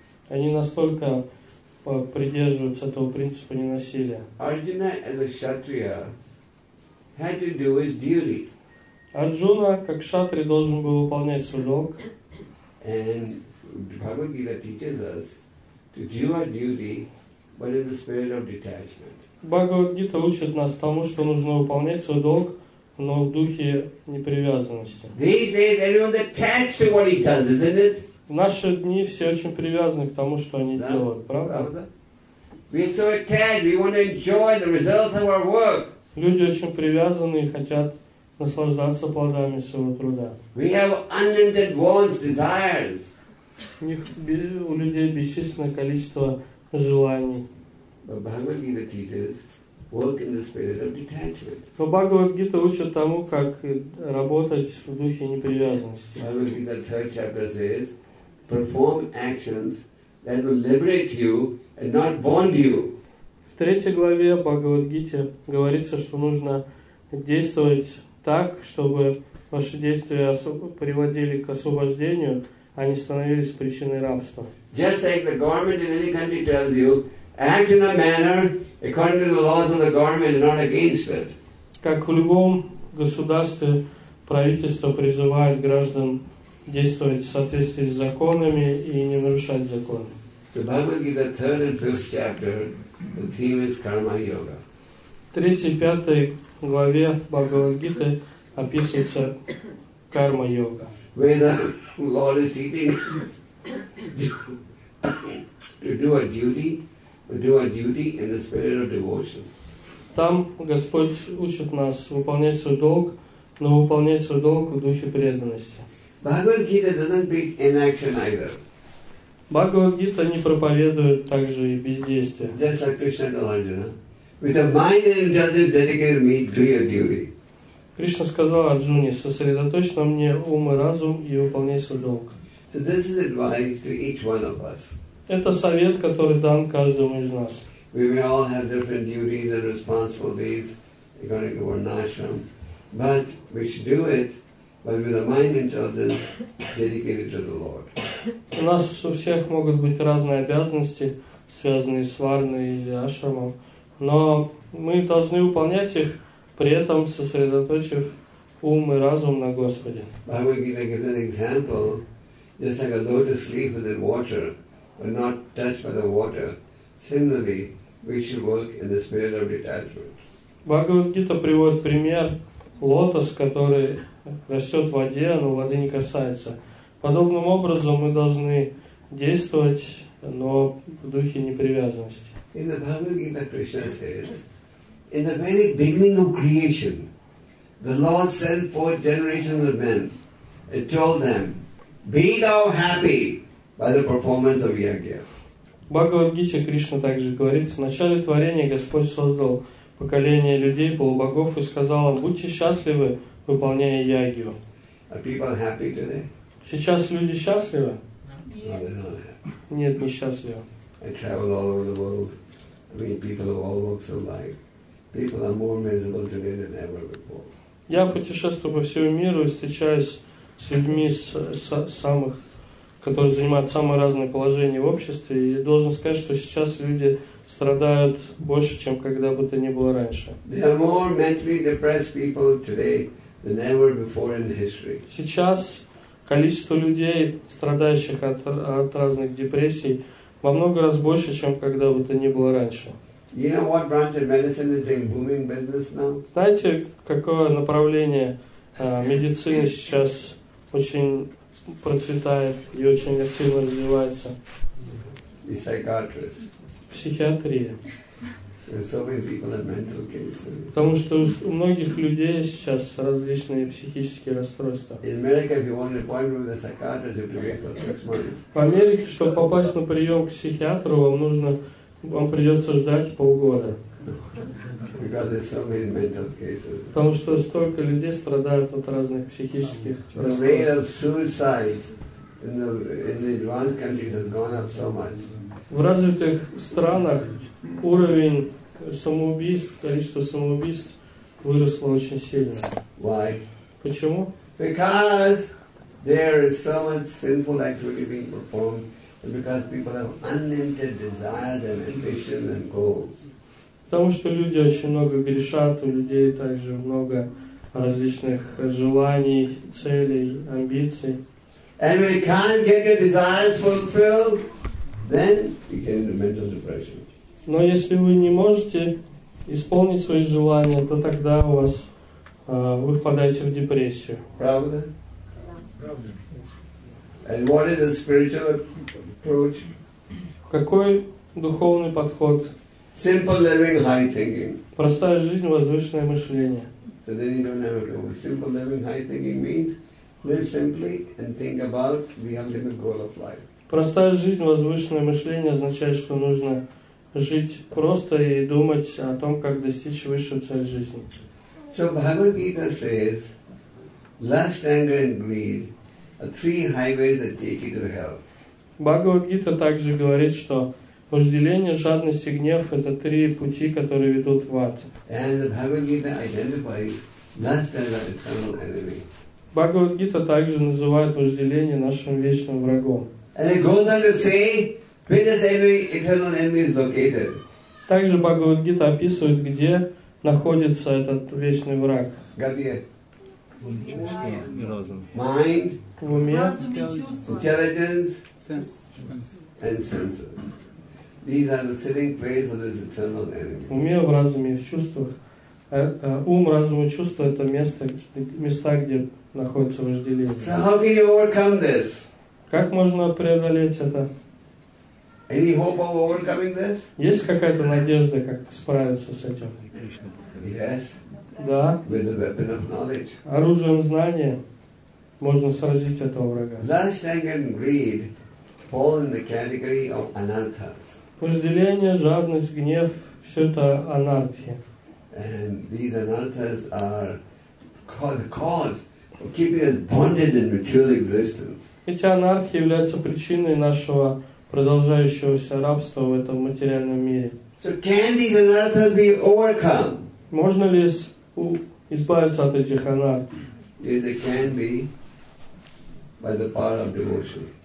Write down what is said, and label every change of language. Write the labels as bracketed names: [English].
[Russian] Они настолько придерживаются этого принципа ненасилия. [English] Arjuna as a kshatriya had to do his duty. [Russian] Арджуна как кшатри должен был выполнять свой долг. [English] And Bhagavad-gita teaches us to do our duty, but in the spirit of detachment. [Russian] Бхагавад-гита учит нас тому, что нужно выполнять свой долг, но в духе непривязанности. [English] These days, everyone's attached to what he does, isn't it? [Russian] В наши дни все очень привязаны к тому, что они делают, правда? [English] We're so attached. We want to enjoy the results of our work. [Russian] Люди очень привязаны и хотят наслаждаться плодами своего труда. [English] We have unlimited wants, desires. [Russian] У людей бесчисленное количество желаний. [English] But Bhagavad-gita teaches work in the spirit of detachment. [Russian] Но Бхагавад-гита учит тому, как работать в духе непривязанности. [English] Bhagavad-gita third chapter says, perform actions that will liberate you and not bond you. [Russian] В третьей главе Бхагавад-гите говорится, что нужно действовать так, чтобы ваши действия приводили к освобождению, а не становились причиной рабства. [English] Just like the government in any country tells you, act in a manner according to the laws of the government and not against it. [Russian] Как в любом государстве правительство призывает граждан действовать в соответствии с законами и не нарушать законы. [English] The Bhagavad Gita, third and fifth chapter, the theme is Karma Yoga. [Russian] В третьей и пятой главе Бхагавад Гиты описывается Карма Йога. [English] Where the Lord is teaching us to do our duty in the spirit of devotion. [Russian] Там Господь учит нас выполнять свой долг, но выполнять свой долг в духе преданности. [English] Bhagavad Gita doesn't preach inaction either. [Russian] Bhagavad Gita не проповедует также и бездействие. [English] Just like Krishna told Arjuna, with a mind and intelligence dedicated to me, do your duty. [Russian] Кришна сказал Арджуне, сосредоточь на мне ум и разум и выполняй свой долг. [English] So this is advice to each one of us. [Russian] Это совет, который дан каждому из нас. [English] We may all have different duties and responsibilities according to our ashram, but we should do it, but with a mind and intelligence dedicated to the Lord. [Russian] У нас у всех могут быть разные обязанности, связанные с варной или ашрамом, но мы должны выполнять их, при этом сосредоточив ум и разум на Господе. [English] Bhagavad Gita gives an example, just like a lotus leaf is in water, but not touched by the water. Similarly, we should work in the spirit of detachment. [Russian] Bhagavad Gita приводит пример лотос, который растет в воде, но воды не касается. Подобным образом мы должны действовать, но в духе непривязанности. [English] In the Bhagavad Gita, Krishna says, in the very beginning of creation, the Lord sent forth generations of men and told them, be thou happy by the performance of yajna. [Russian] В Бхагавад Гите Кришна также говорит, в начале творения Господь создал поколение людей, полубогов, и сказал им, будьте счастливы, выполняя ягью. [English] Are people happy today? [Russian] Сейчас люди счастливы? [English] Yeah. [Russian] Нет, не счастливы. [English] I travel all over the world. I meet people of all walks of life. People are more miserable today than ever before. [Russian] Я путешествую по всему миру и встречаюсь с людьми самых, которые занимают самые разные положения в обществе, и должен сказать, что сейчас люди страдают больше, чем когда бы то ни было раньше. [English] They are more mentally depressed people today than ever before in history. [Russian] Сейчас количество людей, страдающих от разных депрессий, во много раз больше, чем когда бы то ни было раньше. [English] You know what branch of medicine is doing booming business now? [Russian] Знаете, какое направление медицины сейчас очень процветает и очень активно развивается? [English] Psychiatrists. [Russian] Психиатрия. [English] There's so many people have mental cases. [Russian] Потому что у многих людей сейчас различные психические расстройства. [English] In America, if you want an appointment with a psychiatrist, you have to wait for 6 months. [Russian] В Америке, чтобы попасть на прием к психиатру, вам придется ждать полгода. [English] Because there's so many mental cases. [Russian] Потому что столько людей страдают от разных психических расстройств. [English] The rate of suicide in the advanced countries has gone up so much. [Russian] В развитых странах уровень самоубийств, количество самоубийств выросло очень сильно. [English] Why? [Russian] Почему? [English] Because there is so much sinful activity being performed, and because people have unlimited desires and ambitions and goals. [Russian] Потому что люди очень много грешат, у людей также много различных желаний, целей, амбиций. [English] And when you can't get your desires fulfilled, then you get into mental depression. [Russian] Но если вы не можете исполнить свои желания, то тогда у вас вы впадаете в депрессию. Правда? Правда. [English] And what is the spiritual approach? [Russian] Какой духовный подход? [English] Simple living, high thinking. [Russian] Простая жизнь, возвышенное мышление. [English] So then you don't have to go. Simple living, high thinking means live simply and think about the ultimate goal of life. [Russian] Простая жизнь, возвышенное мышление означает, что нужно жить просто и думать о том, как достичь высшей цели жизни. [English] So Bhagavad Gita says, lust, anger and greed are three highways that take you to hell. [Russian] Bhagavad Gita также говорит, что вожделение, жадность и гнев – это три пути, которые ведут в ад. [English] And Bhagavad Gita identifies lust as an eternal enemy. [Russian] Бхагавад-гита также называет вожделение нашим вечным врагом. [English] And it goes on to say, where does every eternal enemy is located? [Russian] Также Бхагавад-гита описывает, где находится этот вечный враг. Где? [English] Mind, [Russian] в уме, [English] intelligence, and senses. These are the sitting place of his eternal enemy. [Russian] Уме, в разуме, в чувствах. Ум, разум и чувства — это места, где находится вожделение. [English] So how can you overcome this? [Russian] Как можно преодолеть это? [English] Any hope of overcoming this? [Russian] Есть какая-то надежда, как справиться с этим? [English] Yes. [Russian] Да. [English] With the weapon of knowledge. [Russian] Оружием знания можно сразить этого врага. [English] Lust, anger, and greed fall in the category of anarthas. [Russian] Вожделение, жадность, гнев — все это анархия. [English] And these anarthas are the cause of keeping us bonded in material existence. [Russian] Эти анархии являются причиной нашего продолжающегося рабства в этом материальном мире. [English] So can these anarthas be overcome? [Russian] Можно ли избавиться от этих анархий? [English] Yes, it can be by the power of devotion.